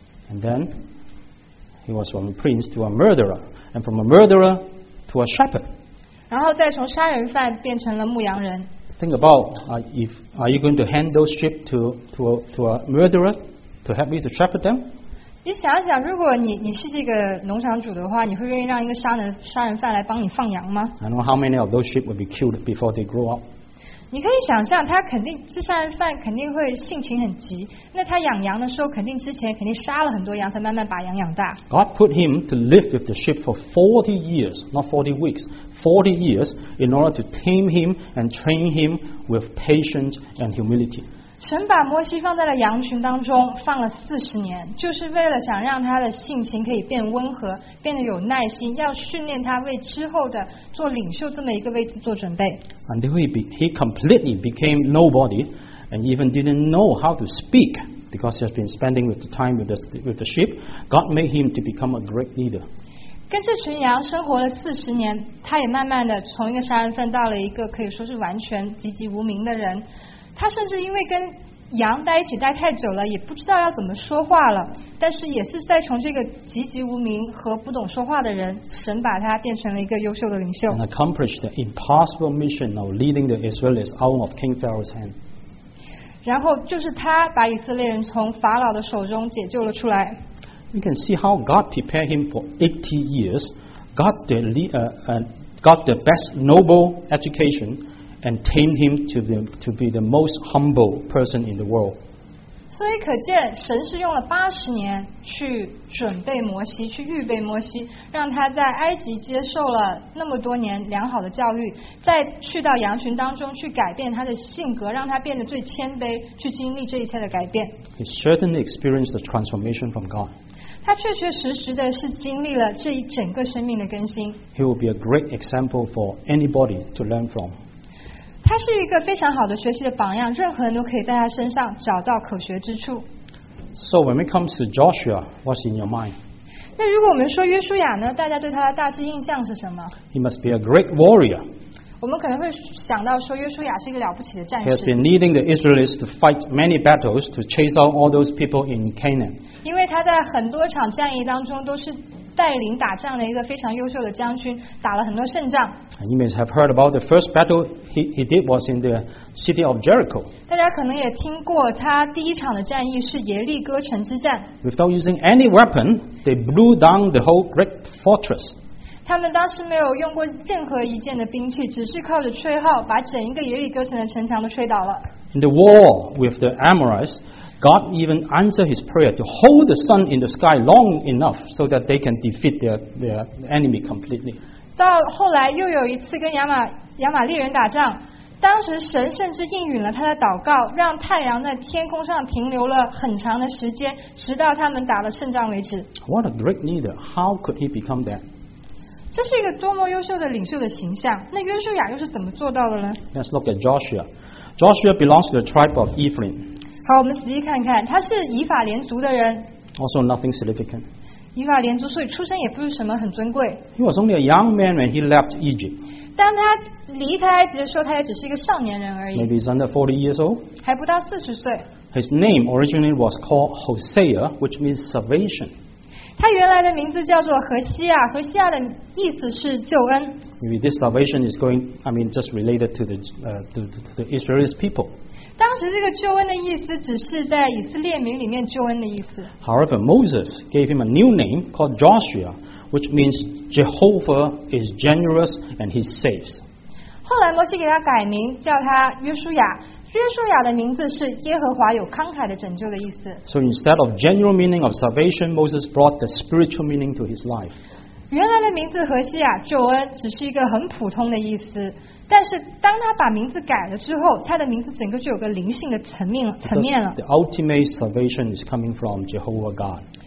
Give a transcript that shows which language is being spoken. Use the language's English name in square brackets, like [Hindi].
[English] And then he was from a prince to a murderer, and from a murderer to a shepherd. [Chinese] 然后再从杀人犯变成了牧羊人。 [English] Think about are you going to hand those sheep to a murderer to help you to shepherd them? [Chinese] 你想想，如果你是这个农场主的话，你会愿意让一个杀人犯来帮你放羊吗？ [English] I know how many of those sheep would be killed before they grow up. [Chinese] 你可以想象，这杀人犯肯定会性情很急，那他养羊的时候，肯定杀了很多羊，才慢慢把羊养大。 [English] God put him to live with the sheep for 40 years, not 40 weeks, 40 years, in order to tame him and train him with patience and humility. [Chinese] 神把摩西放在了羊群当中，放了四十年，就是为了想让他的性情可以变温和，变得有耐心，要训练他为之后的做领袖这么一个位置做准备。 [English] And he completely became nobody, and even didn't know how to speak because he has been spending with the time with the sheep. God made him to become a great leader. [Chinese] 跟这群羊生活了四十年，他也慢慢的从一个杀人犯到了一个可以说是完全籍籍无名的人。他甚至因为跟羊待一起待太久了，也不知道要怎么说话了。但是也是在从这个籍籍无名和不懂说话的人，神把他变成了一个优秀的领袖。 [English] And accomplished the impossible mission of leading the Israelites out of King Pharaoh's hand. [Chinese] 然后就是他把以色列人从法老的手中解救了出来。 [English] You can see how God prepared him for 80 years, got the best noble education.And tamed him to be the most humble person in the world. [Chinese] 所以可见神是用了80年去准备摩西，去预备摩西，让他在埃及接受了那么多年良好的教育，再去到羊群当中去改变他的性格，让他变得最谦卑，去经历这一切的改变。 [English] He certainly experienced the transformation from God. [Chinese] 他确确实实的是经历了这一整个生命的更新。 [English] He will be a great example for anybody to learn from. [Chinese] 他是一个非常好的学习的榜样，任何人都可以在他身上找到可学之处。 [English] So when it comes to Joshua, what's in your mind? [Chinese] 那如果我们说约书亚呢，大家对他的大致印象是什么？ [English] He must be a great warrior. [Chinese] 我们可能会想到说约书亚是一个了不起的战士。 [English] He has been leading the Israelites to fight many battles to chase out all those people in Canaan. [Chinese] 因为他在很多场战役当中都是带领打仗的一个非常优秀的将军，打了很多胜仗。 [English] You may have heard about the first battle he did was in the city of Jericho. [Chinese] 大家可能也听过他第一场的战役是耶利哥城之战。 [English] Without using any weapon, they blew down the whole great fortress. [Chinese] 他们当时没有用过任何一件的兵器，只是靠着吹号把整一个耶利哥城的城墙都吹倒了。 [English] In the war with the Amorites,God even answered his prayer to hold the sun in the sky long enough so that they can defeat their enemy completely. [Chinese] 到后来又有一次跟亚玛利人打仗，当时神甚至应允了他的祷告，让太阳在天空上停留了很长的时间，直到他们打了胜仗为止。 [English] What a great leader! How could he become that? [Chinese] 这是一个多么优秀的领袖的形象，那约书亚又是怎么做到的呢？ [English] Let's look at Joshua. Joshua belongs to the tribe of Ephraim. [Chinese] 好，我们仔细看看，他是以法莲族的人。 [English] Also nothing significant. [Chinese] 以法莲族，所以出身也不是什么很尊贵。 [English] He was only a young man when he left Egypt. [Chinese] 当他离开埃及的时候，他也只是一个少年人而已。 [English] Maybe he's under 40 years old. [Chinese] 还不到40岁。 [English] His name originally was called Hosea, which means salvation. [Chinese] 他原来的名字叫做何西亚，何西亚的意思是救恩。 [English] Maybe this salvation is just related to the Israelite people. [Chinese] 当时这个救恩的意思只是在以色列名里面救恩的意思。 [English] However, Moses gave him a new name called Joshua, which means Jehovah is generous and he saves. [Chinese] 后来摩西给他改名叫他约书亚，约书亚的名字是耶和华有慷慨的拯救的意思。 [English] So instead of general meaning of salvation, Moses brought the spiritual meaning to his life. [Chinese] 原来的名字何西亚救恩只是一个很普通的意思，但是当他把名字改了之后，他的名字整个就有个灵性的层面了。 [English] The ultimate salvation is coming from Jehovah God.